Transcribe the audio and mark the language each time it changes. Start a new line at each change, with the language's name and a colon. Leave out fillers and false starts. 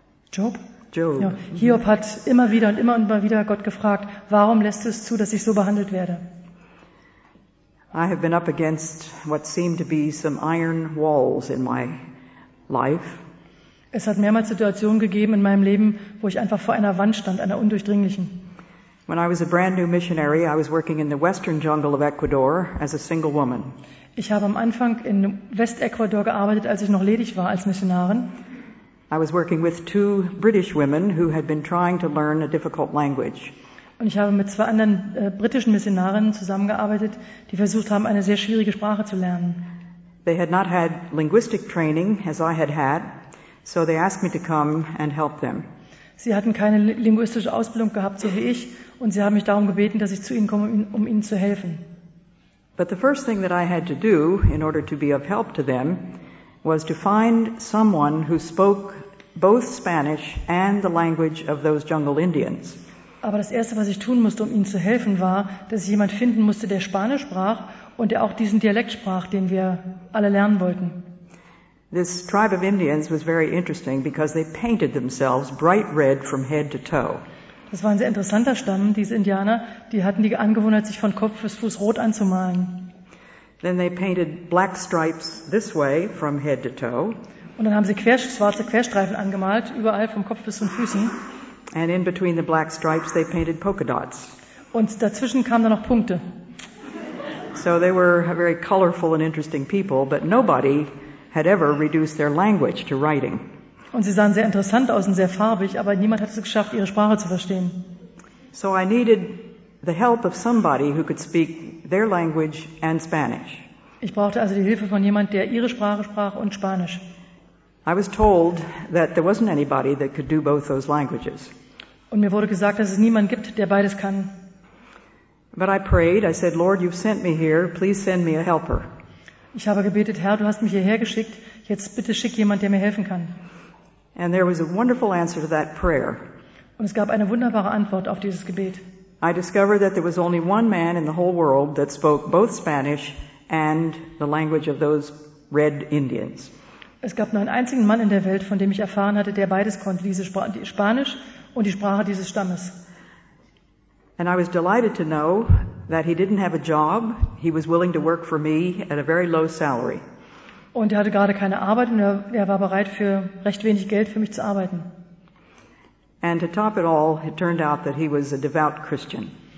English: Job. Ja.
German: Hiob hat immer wieder Gott gefragt, warum lässt du es zu, dass ich so behandelt werde?
English: I have been up against what seemed to be some iron walls in my life.
German: Es hat mehrmals Situationen gegeben in meinem Leben, wo ich einfach vor einer Wand stand, einer undurchdringlichen.
English: When I was a brand new missionary, I was working in the western jungle of Ecuador as a single woman.
German: Ich habe am Anfang in West-Ecuador gearbeitet, als ich noch ledig war als Missionarin.
English: I was working with 2 British women who had been trying to learn a difficult language.
German: Und ich habe mit 2 anderen britischen Missionarinnen zusammengearbeitet, die versucht haben, eine sehr schwierige Sprache zu lernen.
English: They had not had linguistic training as I had had, so they asked me to come and help them.
German: Sie hatten keine linguistische Ausbildung gehabt, so wie ich, und sie haben mich darum gebeten, dass ich zu ihnen komme, um ihnen zu helfen.
English: But the first thing that I had to do in order to be of help to them was to find someone who spoke both Spanish and the language of those jungle Indians.
German: Aber das Erste, was ich tun musste, um ihnen zu helfen, war, dass ich jemand finden musste, der Spanisch sprach und der auch diesen Dialekt sprach, den wir alle lernen wollten.
English: This tribe of Indians was very interesting because they painted themselves bright red from head to toe.
German: Das war ein sehr interessanter Stamm, diese Indianer, die hatten die Angewohnheit, sich von Kopf bis Fuß rot anzumalen.
English: Then they painted black stripes this way from head to toe.
German: Und dann haben sie schwarze Querstreifen angemalt, überall vom Kopf bis zu den Füßen.
English: And in between the black stripes they painted polka dots.
German: Und dazwischen kamen dann noch Punkte.
English: So they were very colorful and interesting people, but nobody had ever reduced their language to writing.
German: Und sie sahen sehr interessant aus und sehr farbig, aber niemand hat es geschafft, ihre Sprache zu verstehen.
English: So I needed the help of somebody who could speak their language and Spanish.
German: Ich brauchte also die Hilfe von jemand, der ihre Sprache sprach und Spanisch.
English: I was told that there wasn't anybody that could do both those languages.
German: Und mir wurde gesagt, dass es niemanden gibt, der beides kann.
English: But I prayed. I said, Lord, you've sent me here. Please send me a helper.
German: Ich habe gebetet, Herr, du hast mich hierher geschickt. Jetzt bitte schick jemand, der mir helfen kann.
English: And there was a wonderful answer to that prayer.
German: Und es gab eine wunderbare Antwort auf dieses Gebet.
English: I discovered that there was only one man in the whole world that spoke both Spanish and the language of those red Indians.
German: Es gab nur einen einzigen Mann in der Welt, von dem ich erfahren hatte, der beides konnte, diese Spanisch und die Sprache dieses Stammes.
English: And I was delighted to know that he didn't have a job. He was willing to work for me at a very low salary.
German: Und er hatte gerade keine Arbeit und er war bereit, für recht wenig Geld für mich zu arbeiten.
English: And to top it all, it turned out that he was a devout Christian.